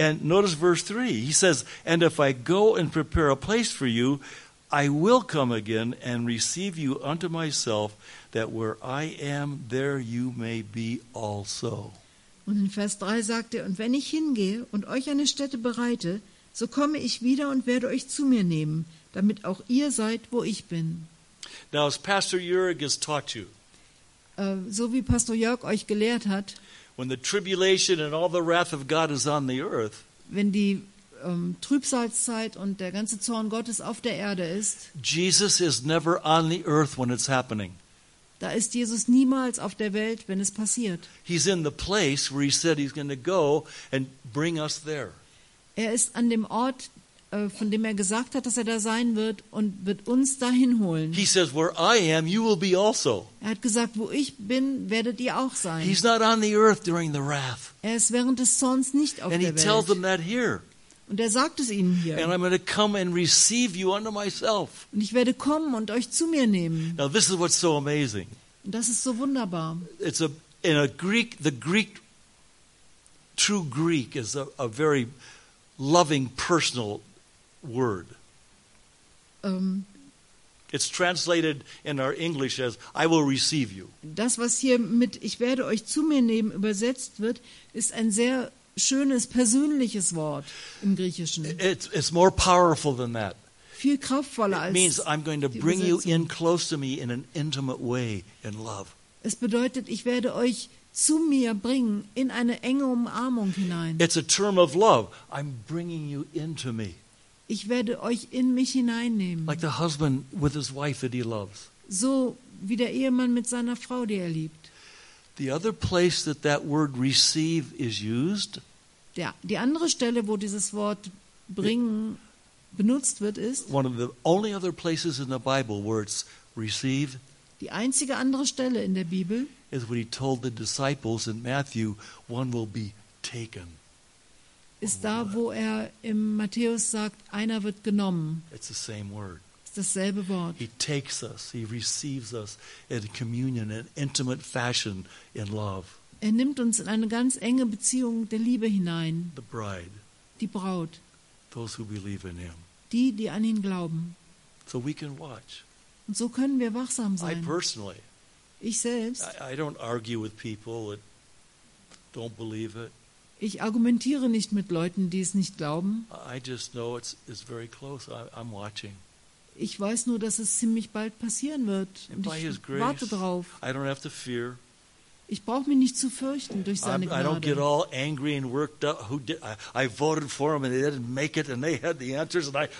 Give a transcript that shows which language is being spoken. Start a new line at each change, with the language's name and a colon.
English: And notice verse 3. He says, and if I go and prepare a place for you, I will come again and receive you unto myself, that where I am, there you may be also.
German: Und in Vers 3 sagt er, und wenn ich hingehe und euch eine Stätte bereite, so komme ich wieder und werde euch zu mir nehmen, damit auch ihr seid, wo ich bin.
English: Now, as Pastor Jörg has taught you,
German: so wie Pastor Jörg euch gelehrt hat,
English: when the tribulation and all the wrath of God is on the earth,
German: wenn die Trübsalzeit und der ganze Zorn Gottes auf der Erde ist.
English: Jesus is never on the earth when it's happening.
German: Da ist Jesus niemals auf der Welt, wenn es passiert.
English: He's in the place where he said he's going to go and bring us there.
German: Er ist an dem Ort, von dem er gesagt hat, dass er da sein wird und wird uns dahin holen.
English: He says, where I am, you will be also.
German: Er hat gesagt, wo ich bin, werdet ihr auch sein.
English: He's not on the earth during the wrath.
German: Er ist während des Zorns nicht auf
English: and
German: der Welt.
English: And he tells them that here.
German: Und er sagt es ihnen hier.
English: And I'm going to come and receive you unto myself.
German: Und ich werde kommen und euch zu mir nehmen.
English: Now this is what's so amazing.
German: Und das ist so wunderbar.
English: It's a in a Greek, the Greek, true Greek is a very loving, personal word. It's translated in our English as I will receive you.
German: Das, was hier mit ich werde euch zu mir nehmen übersetzt wird, ist ein sehr schönes persönliches Wort im Griechischen.
English: It's more powerful than that.
German: Viel kraftvoller als.
English: It means I'm going to bring you in close to me in an intimate way in love.
German: Es bedeutet, ich werde euch zu mir bringen in eine enge Umarmung hinein.
English: It's a term of love. I'm bringing you into me.
German: Ich werde euch in mich hineinnehmen.
English: Like the husband with his wife that he loves.
German: So wie der Ehemann mit seiner Frau, die er liebt.
English: The other place that word receive is used,
German: die andere Stelle, wo dieses Wort bringen, benutzt wird, ist
English: one of the only other places in the Bible where it's receive.
German: Die einzige andere Stelle in der Bibel
English: is when he told the disciples in Matthew, one will be taken.
German: Ist da, wo er im Matthäus sagt, einer wird genommen.
English: It's the same word.
German: Dasselbe Wort.
English: He takes us, he receives us in a communion, in intimate fashion, in love.
German: Er nimmt uns in eine ganz enge Beziehung der Liebe hinein.
English: The bride.
German: Die Braut.
English: Those who believe in him.
German: Die, die an ihn glauben.
English: So we can watch.
German: Und so können wir wachsam sein.
English: I personally.
German: Ich selbst.
English: I don't argue with people that don't believe it.
German: Ich argumentiere nicht mit Leuten, die es nicht glauben.
English: I just know it's very close. I'm watching.
German: Ich weiß nur, dass es ziemlich bald passieren wird. Und ich warte drauf.
English: I don't have to fear.
German: Ich brauche mich nicht zu fürchten durch seine Gnade.
English: I don't get all angry and worked up. Who did, I voted for them and they didn't make it and they had the answers and I.